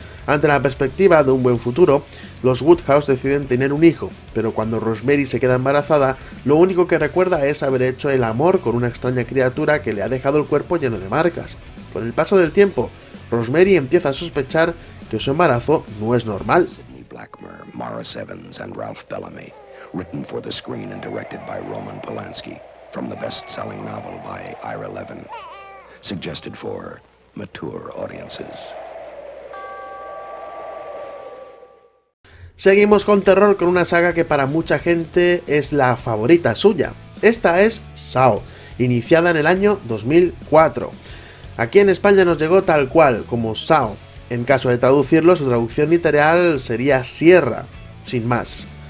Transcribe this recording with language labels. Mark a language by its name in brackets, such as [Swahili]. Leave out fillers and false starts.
[Spanish] Ante la perspectiva de un buen futuro, los Woodhouse deciden tener un hijo, pero cuando Rosemary se queda embarazada, lo único que recuerda es haber hecho el amor con una extraña criatura que le ha dejado el cuerpo lleno de marcas. Con el paso del tiempo, Rosemary empieza a sospechar que su embarazo no es normal. [English] Sidney Blackmer, Morris Evans and Ralph Bellamy, written for the screen and directed by Roman Polanski, from the best-selling novel by Ira Levin, suggested for mature audiences. [Spanish] Seguimos con terror con una saga que para mucha gente es la favorita suya. Esta es Saw, iniciada en el año 2004. Aquí en España nos llegó tal cual, como Saw. En caso de traducirlo, su traducción literal sería Sierra, sin más.